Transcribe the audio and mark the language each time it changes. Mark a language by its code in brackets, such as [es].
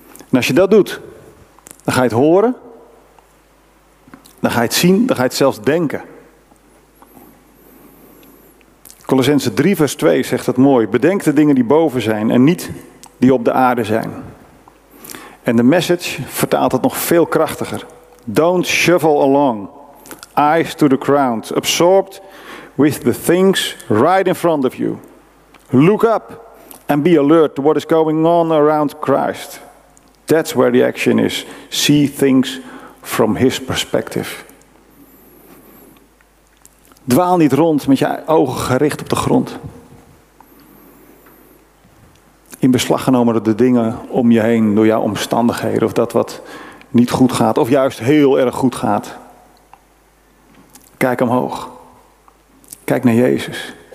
[nl] En als je dat doet, dan ga je het horen. Dan ga je het zien, dan ga je het zelfs denken. Colossenzen 3 vers 2 zegt dat mooi. Bedenk de dingen die boven zijn en niet die op de aarde zijn. En de Message vertaalt het nog veel krachtiger. [en] Don't shuffle along, eyes to the ground, absorbed with the things right in front of you. Look up and be alert to what is going on around Christ. That's where the action is. See things from his perspective. [nl] Dwaal niet rond met je ogen gericht op de grond. In beslag genomen door de dingen om je heen, door jouw omstandigheden, of dat wat niet goed gaat, of juist heel erg goed gaat. Kijk omhoog. Kijk naar Jezus.